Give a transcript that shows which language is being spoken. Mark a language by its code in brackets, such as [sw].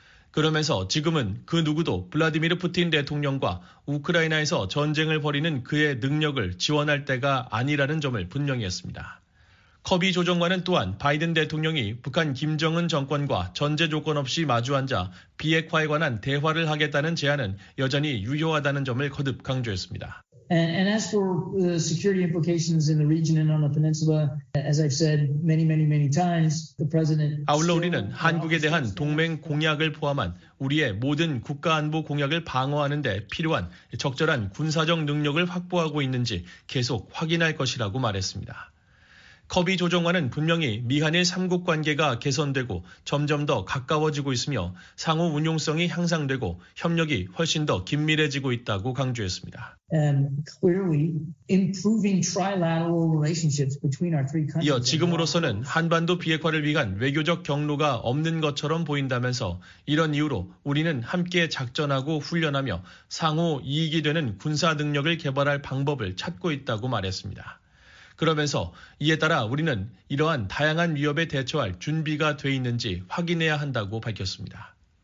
[ko] 그러면서 지금은 그 누구도 블라디미르 푸틴 대통령과 우크라이나에서 전쟁을 벌이는 그의 능력을 지원할 때가 아니라는 점을 분명히 했습니다. 커비 조정관은 또한 바이든 대통령이 북한 김정은 정권과 전제 조건 없이 마주앉아 비핵화에 관한 대화를 하겠다는 제안은 여전히 유효하다는 점을 거듭 강조했습니다. [en] And as for the security implications in the region and on the peninsula, as I've said many times, the president. [ko] 아울러 우리는 한국에 대한 동맹 공약을 포함한 우리의 모든 국가 안보 공약을 방어하는 데 필요한 적절한 군사적 능력을 확보하고 있는지 계속 확인할 것이라고 말했습니다. 커비 조정관은 분명히 미한일 3국 관계가 개선되고 점점 더 가까워지고 있으며 상호 운용성이 향상되고 협력이 훨씬 더 긴밀해지고 있다고 강조했습니다. [en] Clearly, improving trilateral relationships between our three countries. [ko] 이어 지금으로서는 한반도 비핵화를 위한 외교적 경로가 없는 것처럼 보인다면서 이런 이유로 우리는 함께 작전하고 훈련하며 상호 이익이 되는 군사 능력을 개발할 방법을 찾고 있다고 말했습니다. 그러면서 이에 따라 우리는 이러한 다양한 위협에 대처할 준비가 돼 있는지 확인해야 한다고 밝혔습니다.